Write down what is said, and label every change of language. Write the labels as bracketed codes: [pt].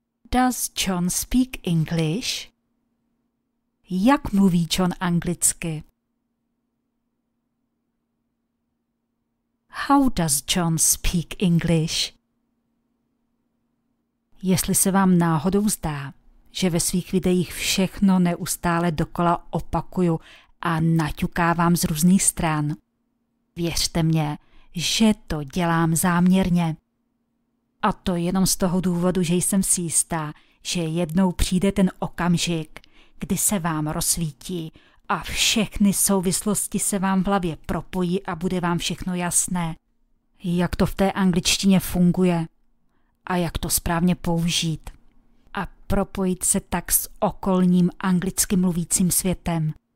[en] Does John speak English? [cs] Jak mluví John anglicky? [en] How does John speak English? [cs] Jestli se vám náhodou zdá, že ve svých videích všechno neustále dokola opakuju a naťukávám z různých stran, věřte mně, že to dělám záměrně. A to jenom z toho důvodu, že jsem si jistá, že jednou přijde ten okamžik, kdy se vám rozsvítí a všechny souvislosti se vám v hlavě propojí a bude vám všechno jasné, jak to v té angličtině funguje a jak to správně použít a propojit se tak s okolním anglicky mluvícím světem.